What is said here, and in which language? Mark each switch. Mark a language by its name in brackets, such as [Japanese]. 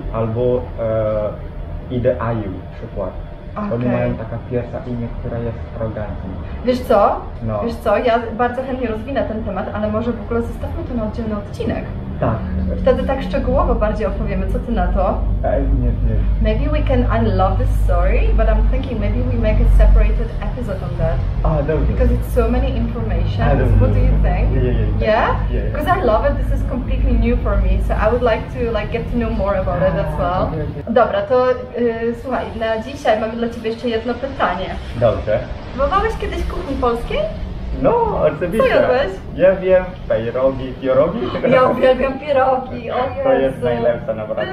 [Polish] Albo ideaju na przykład. Okay. Oni mają taka pierwsza imię, która jest arogancją. Wiesz co? No. Wiesz co? Ja bardzo chętnie rozwinę ten temat, ale może w ogóle zostawmy to na oddzielny odcinek. Tak. Wtedy tak szczegółowo bardziej opowiemy. Co ty na to? Nie. [English] Maybe we can unlock this story, but I'm thinking maybe we make a separated episode on that. Because it's so many information. What do you think? Yeah? Because I love it. This is completely new for me, so I would like to like get to know more about it as well. [Polish] Dobra, to słuchaj, na dzisiaj mam dla ciebie jeszcze jedno pytanie. Dobrze. Próbowałeś kiedyś kuchni polskiej? No, oczywiście. Co jadłeś? Ja wiem, pierogi. Ja uwielbiam pierogi, o Jezu. To jest najlepsze naprawdę.